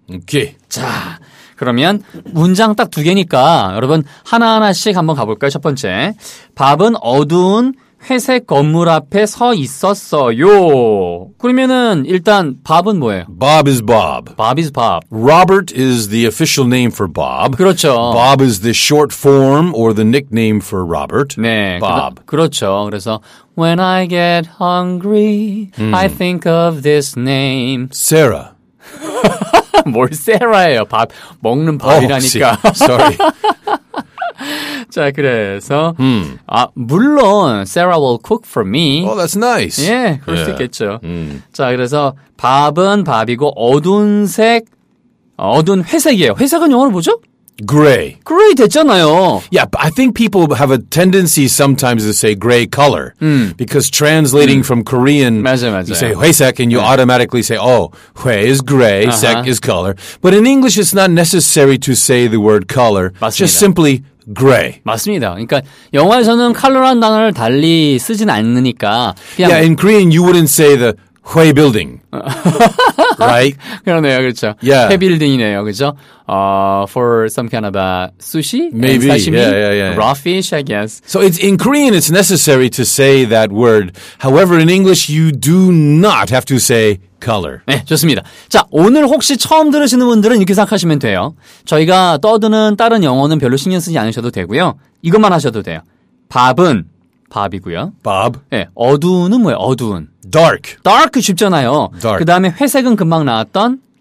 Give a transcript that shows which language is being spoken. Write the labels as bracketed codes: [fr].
[ko] 오케이. 자, 그러면 문장 딱 두 개니까 여러분 하나하나씩 한번 가볼까요? 첫 번째, 밥은 어두운 회색 건물 앞에 서 있었어요. 그러면은 일단 밥은 뭐예요? [en] Bob is Bob. Bob is Bob. Robert is the official name for Bob. [ko] 그렇죠. [en] Bob is the short form or the nickname for Robert. [ko] 네. [en] Bob. [ko] 그렇죠. [en] 그래서 When I get hungry, I think of this name. Sarah. [ko] 뭘 Sarah예요. 밥 먹는 밥이라니까. [en] Oh, sorry. [ko] 자, 그래서 아, 물론 [en] Sarah will cook for me. Oh, that's nice. [ko] 예, 그럴 수 있겠죠. 자, 그래서 밥은 밥이고 어두운색 어두운 회색이에요. 회색은 영어로 뭐죠? [en] Gray. [ko] Gray 됐잖아요. [en] Yeah, but I think people have a tendency sometimes to say gray color. Because translating from Korean, [ko] 맞아요. [en] You say 회색 and you automatically say, oh, 회 is gray, 색 is color. But in English, it's not necessary to say the word color. [ko] 맞습니다. [en] Just simply gray. [ko] 맞습니다. 그러니까 영화에서는 color란 단어를 달리 쓰진 않으니까. [en] Yeah, in Korean, you wouldn't say the 회 building. Right? [ko] 그러네요. 그렇죠. [en] Yeah. [ko] 회 빌딩이네요. 그렇죠? [en] For some kind of a sushi? Maybe. And sashimi? Yeah. Raw fish, I guess. So it's, in Korean, it's necessary to say that word. However, in English, you do not have to say color. [ko] 네, 좋습니다. 자, 오늘 혹시 처음 들으시는 분들은 이렇게 생각하시면 돼요. 저희가 떠드는 다른 영어는 별로 신경 쓰지 않으셔도 되고요. 이것만 하셔도 돼요. 밥은 밥이고요. [en] Bob. [ko] 네, 어두운은 뭐예요? 어두운. [en] Dark. [ko] Dark 쉽잖아요. [en] Dark. [ko] 그 다음에 회색은 금방 나왔던?